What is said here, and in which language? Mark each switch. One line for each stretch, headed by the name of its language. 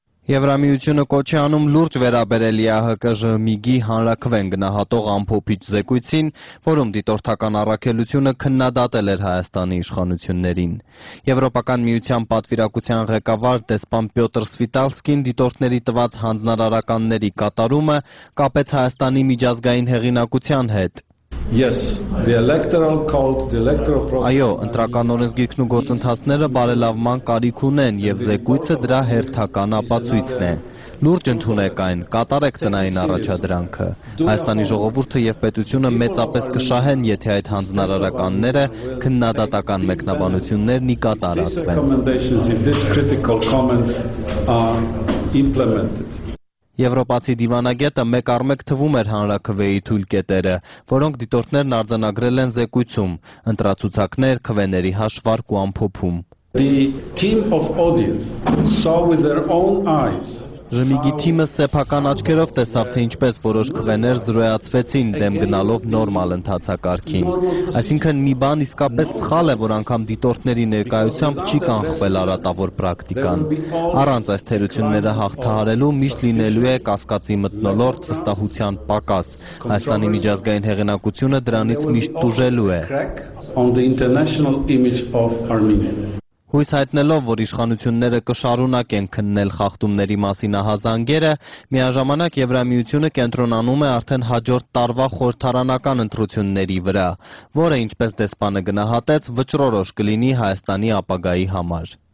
Armenian: Եվրամիությունը կոչ է անում լուրջ վերաբերել ԵԱՀԿ-ժ ՄԻԳ-ի հանրաքվեն գնահատող ամփոփիչ զեկույցին, որում դիտորդական առաքելությունը քննադատել էր Հայաստանի իշխանություններին։ Եվրոպական միության պատվիրակության ղեկավար դեսպան Պյոտր Սվիտալսկին դիտորդների տված հանձնարարականների կատարումը կապեց Հայաստանի միջազգային հեղինակության հետ։
English: Yes, the electoral code, the electoral process.
Armenian: Այո, ընտրական օրենսգիրքն ու գործընթացները բարելավման կարիք ունեն եւ զեկույցը դրա հերթական ապացույցն է։ Լուրջ ընդունեք այն, կատարեք տնային առաջադրանքը։ Հայաստանի ժողովուրդը եւ պետությունը մեծապես կշահեն, եթե այդ հանձնարարականները քննադատական մեկնաբանություններն ի կատարածվեն։ Եվրոպացի դիվանագետը մեկ առ մեկ թվում էր հանրաքվեի թույլ կետերը, որոնք դիտորդներն արձանագրել են զեկույցում, ընտրացուցակներ, քվեների հաշվարկ ու ամփոփում։
English: The team of audit saw with their own eyes.
Armenian: ԺՄԻԳ-ի թիմը սեփական աչքերով տեսավ, թե ինչպես որոշ քվեներ զրոյացվեցին դեմ գնալով նորմալ ընթացակարգին։ Այսինքն մի բան իսկապես սխալ է, որ անգամ դիտորդների ներկայությամբ չի կանխվել արատավոր պրակտիկան։ Առանց այս թերությունները հաղթահարելու միշտ լինելու է կասկածի մտնոլորտ վստահության պակաս։ Հայաստանի միջազգային հեղինակությունը դրանից միշտ տուժելու է։ Հույս հայտնելով, որ իշխանությունները կշարունակեն քննել խախտումների մասինահազանգերը, միաժամանակ Եվրամիությունը կենտրոնանում է արդեն հաջորդ տարվա խորհրդարանական ընտրությունների վրա, որը, ինչպես դեսպանը գնահատեց, վճռորոշ կլինի Հայաստանի ապագայի համար։